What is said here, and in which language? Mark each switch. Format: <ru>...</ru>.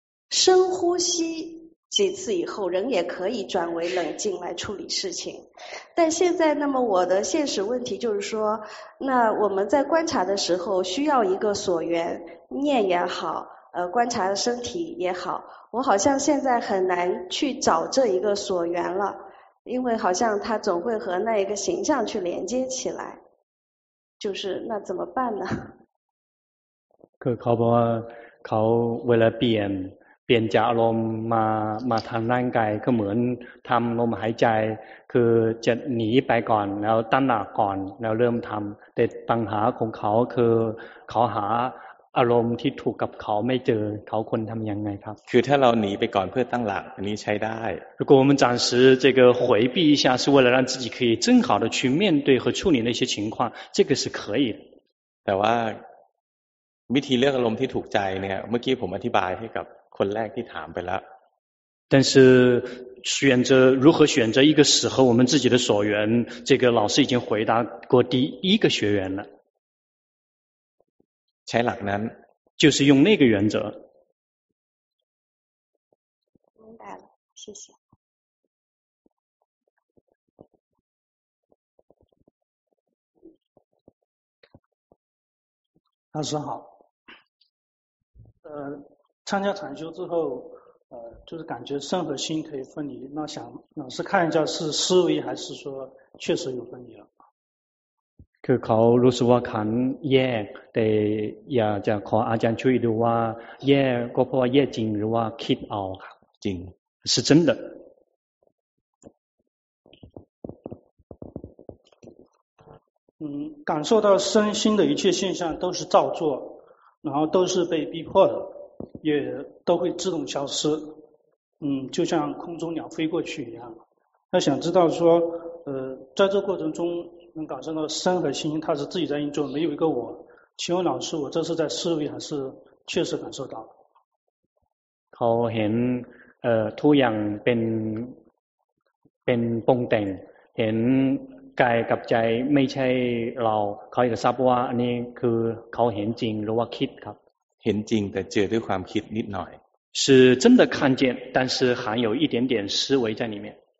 <zh>深呼吸几次以后人也可以转为冷静来处理事情但现在那么我的现实问题就是说那我们在观察的时候需要一个所缘念也好观察身体也好我好像现在很难去找这一个所缘了因为好像它总会和那一个形象去连接起来就是那怎么办呢</zh> <th>คือเขาบอกว่าเขาเวลาเปลี่ยนจากอารมณ์มาทางร่างกายก็เหมือนทำลมหายใจคือจะหนีไปก่อนแล้วตั้งหลักก่อนแล้วเริ่มทำแต่ปัญหาของเขาคือเขาหาอารมณ์ที่ถูกกับเขาไม่เจอเขาควรทำยังไงครับ คือถ้าเราหนีไปก่อนเพื่อตั้งหลักอันนี้ใช้ได้</th> <zh>如果我们暂时这个回避一下是为了让自己可以正好的去面对和处理那些情况这个是可以的</zh> <th>แต่ว่าวิธีเลือกอารมณ์ที่ถูกใจเนี่ยเมื่อกี้ผมอธิบายให้กับคนแรกที่ถามไปแล้ว</th> <zh>但是选择如何选择一个适合我们自己的所缘这个老师已经回答过第一个学员了</zh> <th>ใช้หลักนั้น</th> <zh>就是用那个原则明白了谢谢老师好。参加禅修之后，就是感觉身和心可以分离，那想老师看一下是思维还是说确实有分离了。</zh> <th>คือเขารู้สึกว่าขันแยกแต่อยากจะขออาจารย์ช่วยดูว่าแยกก็เพราะว่าแยกจริงหรือว่าคิดเอาครับ จริง</th> <zh>是真的感受到身心的一切现象都是造作然后都是被逼迫的也都会自动消失就像空中鸟飞过去一样那想知道说在这过程中能感受到身和心它是自己在运作没有一个我请问老师我这是在思维还是确实感受到</zh> <th>เขาเห็นทุกอย่างเป็นปรุงแต่งเห็นกายกับใจไม่ใช่เราเขาจะทราบว่าอันนี้คือเขาเห็นจริงหรือว่าคิดครับ เห็นจริงแต่เจอด้วยความคิดนิดหน่อย</th> <zh>是真的看见但是含有一点点思维在里面</zh>